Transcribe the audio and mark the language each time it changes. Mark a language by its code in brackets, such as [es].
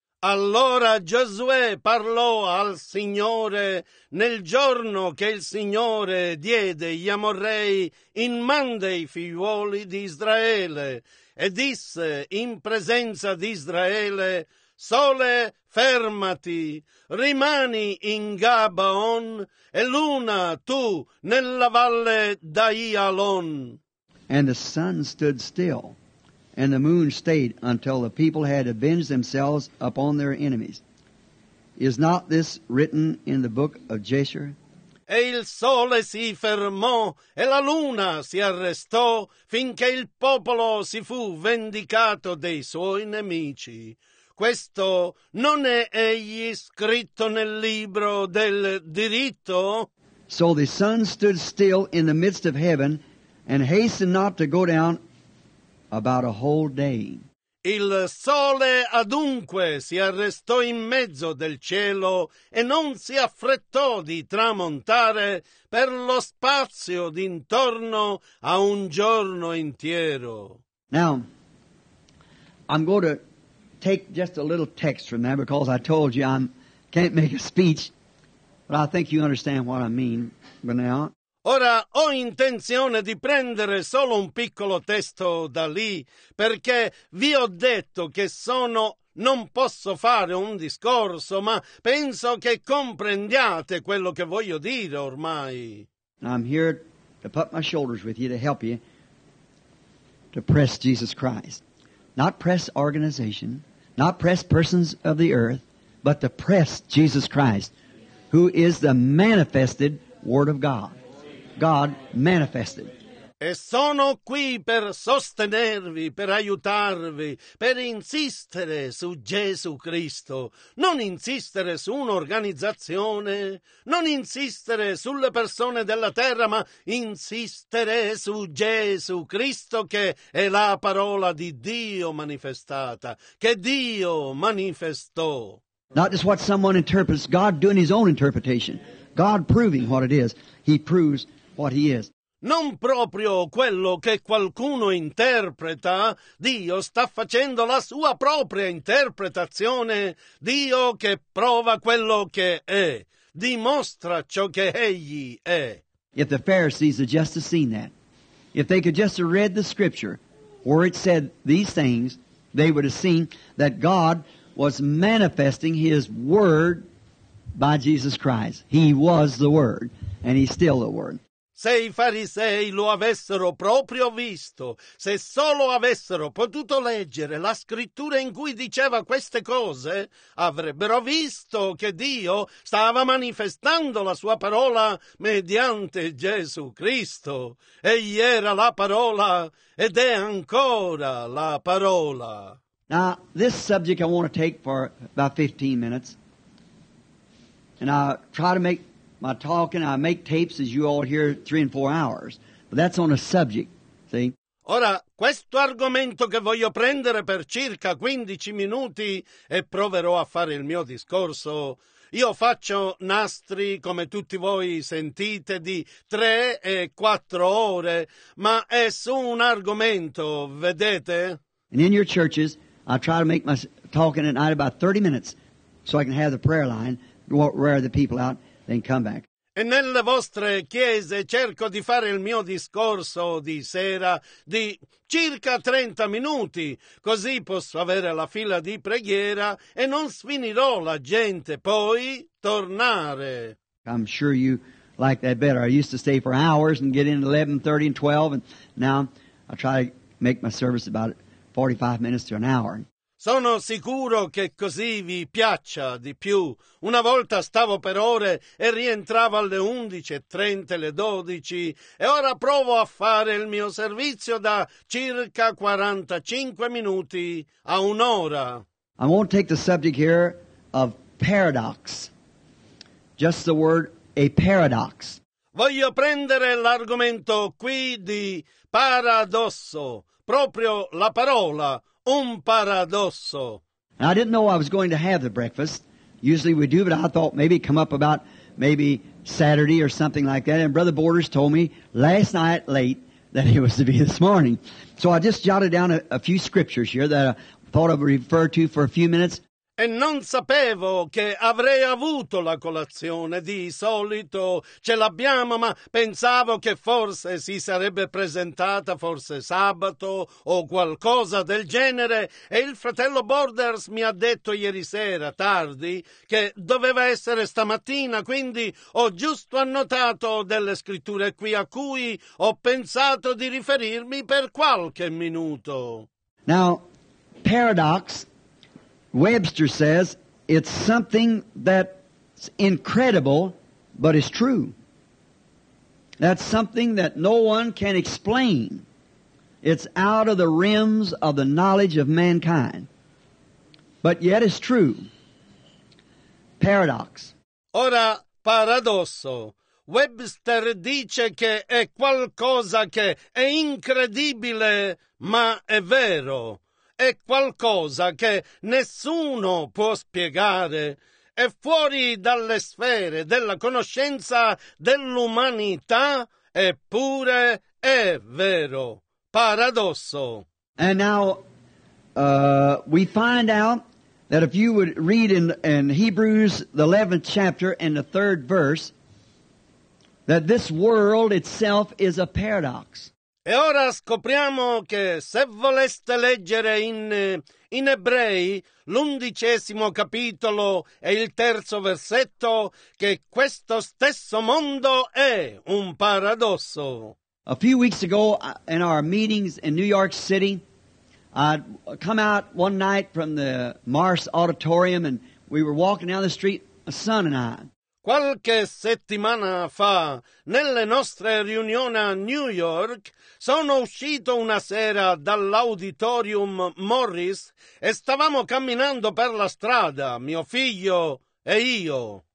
[it] Allora Giosuè parlò al Signore nel giorno che il Signore diede gli Amorrei in man dei figliuoli di Israele e disse in presenza di Israele: Sole, fermati, rimani in Gabaon e luna tu nella valle d'Aialon. [en] And the sun stood still. And the moon stayed until the people had avenged themselves upon their enemies. Is not this written in the book of Jasher? [it] E il sole si fermò e la luna si arrestò finché il popolo si fu vendicato dei suoi nemici. Questo non è egli scritto nel libro del diritto? [en] So the sun stood still in the midst of heaven and hastened not to go down about a whole day. [it] Il sole adunque si arrestò in mezzo del cielo e non si affrettò di tramontare per lo spazio d'intorno a un giorno intero. [en] Now, I'm going to take just a little text from that because I told you I can't make a speech, but I think you understand what I mean by now. [it] Ora ho intenzione di prendere solo un piccolo testo da lì, perché vi ho detto che sono non posso fare un discorso, ma penso che comprendiate quello che voglio dire ormai. [en] I'm here to put my shoulders with you to help you to press Jesus Christ. Not press organization, not press persons of the earth, but to press Jesus Christ, who is the manifested Word of God. God manifested. [it] E sono qui per sostenervi, per aiutarvi, per insistere su Gesù Cristo. Non insistere su un'organizzazione, non insistere sulle persone della terra, ma insistere su Gesù Cristo che è la parola di Dio manifestata, che Dio manifestò. [en] Not just what someone interprets, God doing his own interpretation. God proving what it is. He proves what he is. [it] Non proprio quello che qualcuno interpreta. Dio sta facendo la sua propria interpretazione. Dio che prova quello che è, dimostra ciò che egli è. [en] If the Pharisees had just seen that, if they could just have read the scripture where it said these things, they would have seen that God was manifesting his word by Jesus Christ. He was the word. And he's still the word. [it] Se i farisei lo avessero proprio visto, se solo avessero potuto leggere la scrittura in cui diceva queste cose, avrebbero visto che Dio stava manifestando la sua parola mediante Gesù Cristo. Egli era la parola ed è ancora la parola. [en] Now, this subject I want to take for about 15 minutes. And I try to make my talking, I make tapes, as you all hear, 3 and 4 hours. But that's on a subject, see? [it] Ora, questo argomento che voglio prendere per circa 15 minuti e proverò a fare il mio discorso, io faccio nastri, come tutti voi sentite, di 3 e 4 ore, ma è su un argomento, vedete? [en] And in your churches, I try to make my talking at night about 30 minutes so I can have the prayer line, wear the people out. Then come back. [it] E nelle vostre chiese cerco di fare il mio discorso di sera di circa 30 minuti, così posso avere la fila di preghiera e non sfinirò la gente, poi tornare. [en] I'm sure you like that better. I used to stay for hours and get in at 11:30 and 12, and now I try to make my service about 45 minutes to an hour. [it] Sono sicuro che così vi piaccia di più. Una volta stavo per ore e rientravo alle 11:30, alle 12, e ora provo a fare il mio servizio da circa 45 minuti a un'ora. [en] I won't take the subject here of paradox, just the word a paradox. [it] Voglio prendere l'argomento qui di paradosso, proprio la parola. Un paradosso. [en] And I didn't know I was going to have the breakfast. Usually we do, but I thought maybe come up about maybe Saturday or something like that. And Brother Borders told me last night late that it was to be this morning. So I just jotted down a few scriptures here that I thought I would refer to for a few minutes. [it] E non sapevo che avrei avuto la colazione. Di solito ce l'abbiamo, ma pensavo che forse si sarebbe presentata, forse sabato o qualcosa del genere. E il fratello Borders mi ha detto ieri sera, tardi, che doveva essere stamattina. Quindi ho giusto annotato delle scritture qui a cui ho pensato di riferirmi per qualche minuto. [en] Now, paradox. Webster says it's something that's incredible, but is true. That's something that no one can explain. It's out of the realms of the knowledge of mankind. But yet it's true. Paradox. [it] Ora, paradosso. Webster dice che è qualcosa che è incredibile, ma è vero. È qualcosa che nessuno può spiegare, è fuori dalle sfere della conoscenza dell'umanità, eppure è vero. Paradosso. [en] And now we find out that if you would read in Hebrews the 11th chapter and the 3rd verse, that this world itself is a paradox. [it] E ora scopriamo che se voleste leggere in Ebrei l'undicesimo capitolo e il terzo versetto, che questo stesso mondo è un paradosso. [en] A few weeks ago in our meetings in New York City, I'd come out one night from the Mars Auditorium and we were walking down the street, my son and I. [it] Qualche settimana fa, nelle nostre riunioni a New York, sono uscito una sera dall'Auditorium Morris e stavamo camminando per la strada, mio figlio e io.